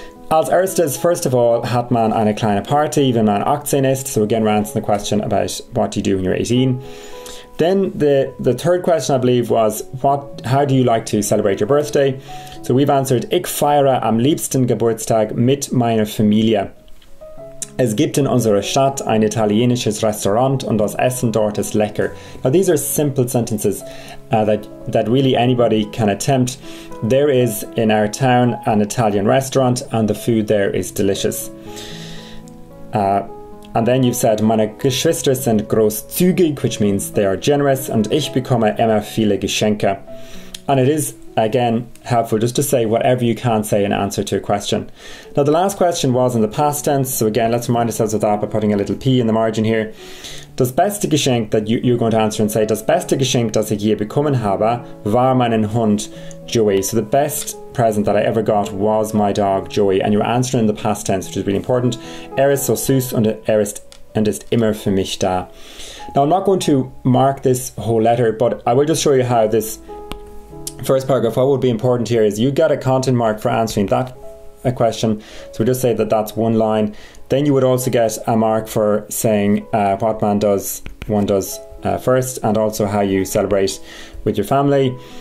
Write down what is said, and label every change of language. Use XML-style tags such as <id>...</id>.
<de>Als erstes,</de> <en>first of all,</en> <de>hat man eine kleine Party, wenn man 18 ist.</de> <en>So again, we're answering the question about what you do when you're 18. Then the third question, I believe, was how do you like to celebrate your birthday? So we've answered,</en> <de>ich feiere am liebsten Geburtstag mit meiner Familie. Es gibt in unserer Stadt ein italienisches Restaurant und das Essen dort ist lecker.</de> <en>Now these are simple sentences that really anybody can attempt. There is in our town an Italian restaurant and the food there is delicious. And then you've said,</en> <de>meine Geschwister sind großzügig,</de> <en>which means they are generous,</en> <de>und ich bekomme immer viele Geschenke.</de> <en>And it is, again, helpful just to say whatever you can say in answer to a question. Now, the last question was in the past tense. So again, let's remind ourselves of that by putting a little P in the margin here.</en> <de>Das beste Geschenk</de> <en>that you're going to answer and say,</en> <de>das beste Geschenk, das ich je bekommen habe, war meinen Hund Joey.</de> <en>So the best present that I ever got was my dog Joey. And you're answering in the past tense, which is really important.</en> <de>Ist so süß und ist immer für mich da.</de> <en>Now, I'm not going to mark this whole letter, but I will just show you how this first paragraph, what would be important here is you get a content mark for answering that a question. So we just say that that's one line. Then you would also get a mark for saying what man does, one does first, and also how you celebrate with your family.</en>